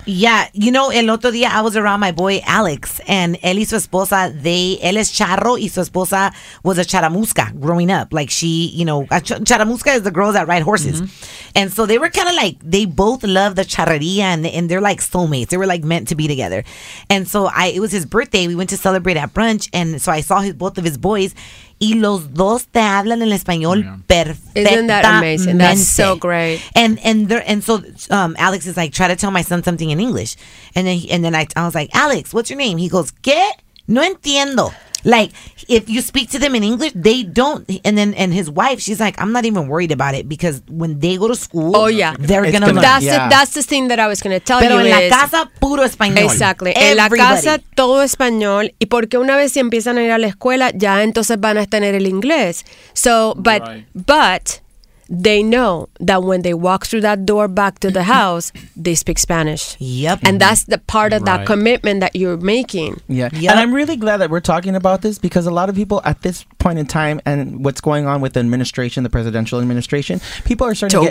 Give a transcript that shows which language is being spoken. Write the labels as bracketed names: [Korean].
[English] Yeah. You know, [Spanish] el otro día [English] I was around my boy Alex, and [Spanish] él y su esposa, [English] él es charro y su esposa was a charamusca growing up. Like, she, you know, charamusca is the girls that ride horses. Mm-hmm. And so they were kind of like, they both love the charrería, and they're like soulmates. They were like meant to be together. And so it was his birthday. We went to celebrate at brunch. And so I saw both of his boys. [Spanish] Y los dos te hablan en español perfectamente. [English] Isn't that amazing? That's so great. And so Alex is like, try to tell my son something in English. And then I was like, Alex, what's your name? He goes, [Spanish] ¿qué? No entiendo. [English] Like, if you speak to them in English, they don't. And his wife, she's like, I'm not even worried about it, because when they go to school, they're going to learn. That's the thing that I was going to tell [Spanish] Pero [English] you [Spanish] en la [English] is, [Spanish] casa, puro español. [English] Exactly. Everybody. [Spanish] En la casa, todo español. Y porque una vez si empiezan a ir a la escuela, ya entonces van a tener el inglés. [English] So, but they know that when they walk through that door back to the house, they speak Spanish. Yep. And that's the part of that commitment that you're making. Yeah. Yep. And I'm really glad that we're talking about this, because a lot of people at this point in time, and what's going on with the administration, the presidential administration, people are starting